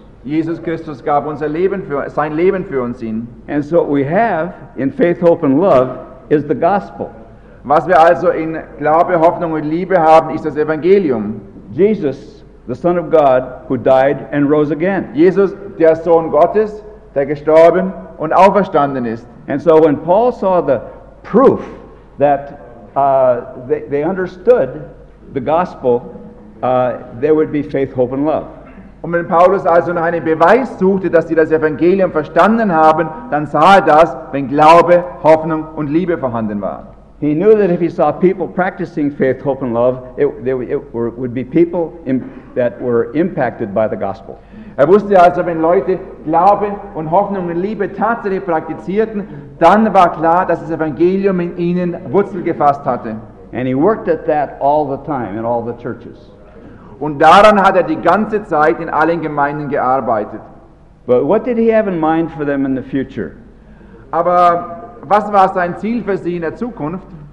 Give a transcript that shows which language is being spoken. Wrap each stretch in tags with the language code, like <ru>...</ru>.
<de>Jesus Christus gab unser Leben für, sein Leben für uns hin.</de> <en>And so what we have in faith, hope and love is the gospel.</en> <de>Was wir also in Glaube, Hoffnung und Liebe haben, ist das Evangelium.</de> <en>Jesus, the Son of God, who died and rose again.</en> <de>Jesus, der Sohn Gottes, der gestorben und auferstanden ist.</de> <en>And so when Paul saw the proof that they understood the gospel, there would be faith, hope and love.</en> <de>Und wenn Paulus also noch einen Beweis suchte, dass sie das Evangelium verstanden haben, dann sah das, wenn Glaube, Hoffnung und Liebe vorhanden war.</de> <en>He knew that if he saw people practicing faith, hope and love, would be people that were impacted by the gospel.</en> <de>Er wusste also, wenn Leute Glaube und Hoffnung und Liebe tatsächlich praktizierten, dann war klar, dass das Evangelium in ihnen Wurzel gefasst hatte.</de> <en>And he worked at that all the time in all the churches.</en> <de>Und daran hat die ganze Zeit in allen Gemeinden gearbeitet.</de> <en>But what did he have in mind for them in the future?</en> <de>Aber was war sein Ziel für sie in der Zukunft?</de>